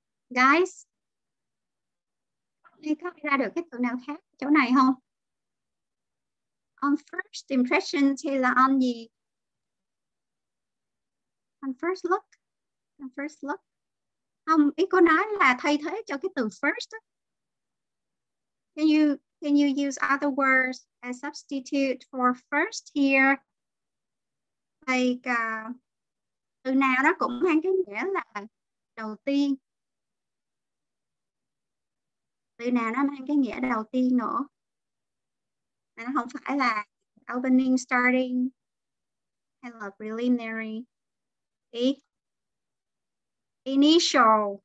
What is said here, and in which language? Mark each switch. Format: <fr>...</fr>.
<vi>guys. Thì có ra được cái từ nào khác chỗ này không?</vi> <en>On first impression</en> <vi>thì là</vi> <en>on gì? On first look. On first look.</en> <vi>Không, ý cô nói là thay thế cho cái từ first.</vi> <en>Can you use other words as substitute for first here?</en> <vi>Like từ nào đó cũng mang cái nghĩa là đầu tiên. Từ nào nó mang cái nghĩa đầu tiên nữa. Mà nó không phải là opening, starting, hay là preliminary. Ý. Initial.</vi>